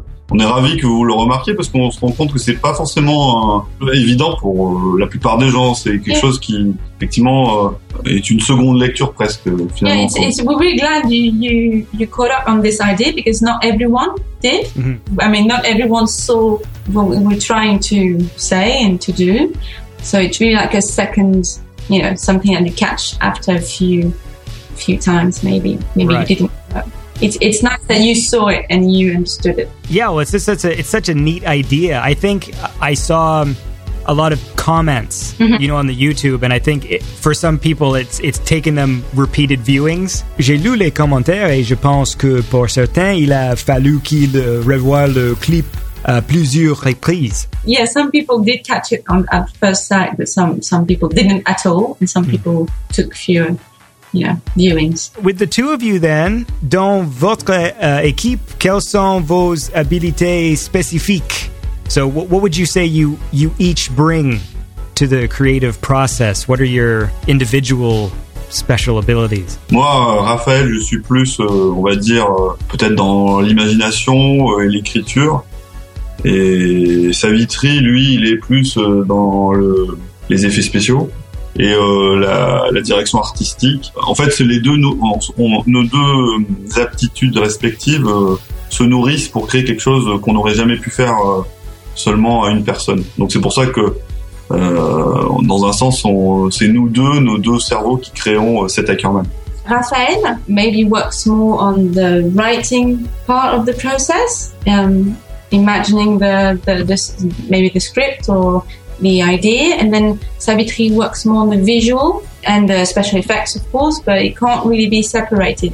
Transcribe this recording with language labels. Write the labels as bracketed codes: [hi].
[fr] On est ravis que vous le remarquiez parce qu'on se rend compte que c'est pas forcément évident pour la plupart des gens. C'est quelque chose qui, effectivement, est une seconde lecture presque, finalement. [en] Yeah, we're really glad you caught up on this idea because not everyone did. Mm-hmm. I mean, not everyone saw what we were trying to say and to do. So it's really like a second, you know, something that you catch after a few times, maybe. Maybe right. You didn't. It's nice that you saw it and you understood it. Yeah, well, it's such a neat idea. I think I saw a lot of comments, mm-hmm. you know, on the YouTube, and I think for some people it's taken them repeated viewings. J'ai lu les commentaires et je pense que pour certains il a fallu qu'il revoie le clip à plusieurs reprises. Yeah, some people did catch it at first sight, but some people didn't at all, and some people took fewer viewings. With the two of you then, [fr] dans votre équipe, quelles sont vos habilités spécifiques? [en] So what would you say you each bring to the creative process? What are your individual special abilities? [fr] Moi, Raphaël, je suis plus, on va dire, peut-être dans l'imagination et l'écriture. Et Savitri, lui, il est plus dans les effets spéciaux et la direction artistique. En fait, c'est les deux, nos deux aptitudes respectives se nourrissent pour créer quelque chose qu'on n'aurait jamais pu faire seulement à une personne. Donc c'est pour ça que, dans un sens, c'est nos deux cerveaux qui créons cet Ackerman. [en] Raphaël maybe works more on the writing part of the process, imagining the script or the idea, and then Savitri works more on the visual and the special effects, of course, but it can't really be separated.